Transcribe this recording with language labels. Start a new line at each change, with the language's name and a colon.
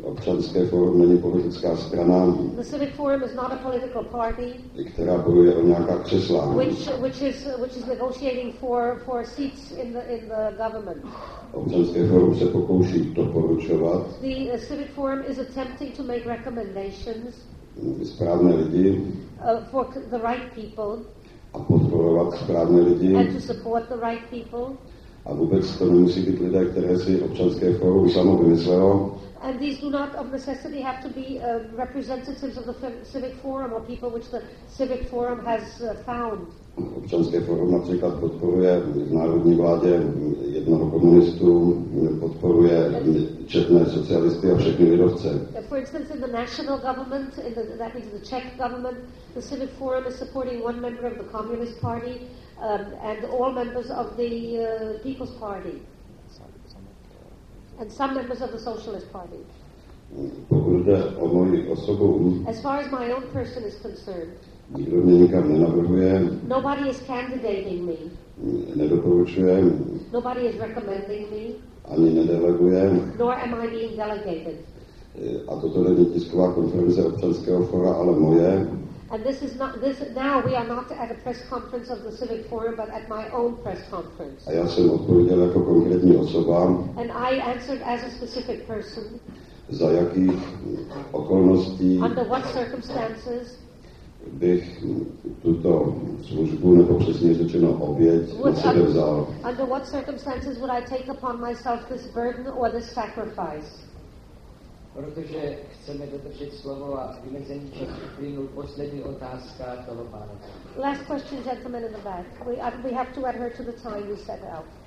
Czech: Občanské fórum není politická strana.
English: The Civic Forum is not a political party.
Czech: Která bojuje o nějaká křesla.
English: Which is negotiating for seats in the government.
Czech: Občanské fórum se pokouší doporučovat.
English: The Civic Forum is attempting to make recommendations.
Czech: Správné lidi.
English: For the right people.
Czech: A podporovat správné lidi.
English: And to support the right people.
Czech: A vůbec to nemusí být lidé, které si občanské fórum samo vymyslelo.
English: And these do not of necessity have to be representatives of the Civic Forum or people which the Civic Forum has found.
Czech: Občanské fórum například podporuje v národní vládě jednoho komunistu, podporuje četné socialisty a všechny lidovce.
English: For instance, in the national government, that means the Czech government, the Civic Forum is supporting one member of the Communist Party and all members of the People's Party. And some members of the Socialist Party.
Czech: Pokud jde o moji osobu,
English: as far as my own person is concerned,
Czech: nikdo mě nikam nenavrhuje,
English: nobody is candidating me,
Czech: nedoporučuje,
English: nobody is recommending me,
Czech: ani nedeleguje,
English: nor am I being delegated.
Czech: A toto není tisková konference občanského fora, ale moje.
English: And this is not this now we are not at a press conference of the Civic Forum but at my own press conference.
Czech: A já jsem odpověděl jako konkrétní osoba.
English: And I answered as a specific person.
Czech: Za jakých okolností?
English: Under what circumstances?
Czech: Bych tuto službu nebo přesně řečeno oběť na sebe vzal.
English: Under what circumstances would I take upon myself this burden or this sacrifice?
Czech: Protože chceme dodržet slovo a vymezení času plynul poslední otázka toho pána.
English: Last question, gentlemen in the back. We have to adhere to the time we set out.